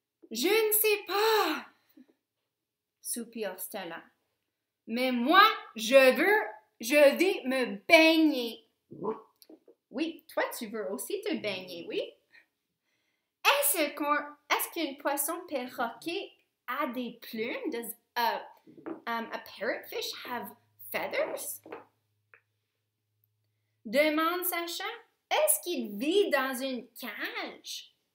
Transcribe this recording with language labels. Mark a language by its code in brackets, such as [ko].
[fr] Je ne sais pas, soupire Stella. Mais moi, je vais me baigner. Oui, toi, tu veux aussi te baigner, oui? Est-ce qu'un poisson perroquet a des plumes? [en] Does a parrotfish have feathers? [fr] Demande Sacha. Est-ce qu'il vit dans une cage?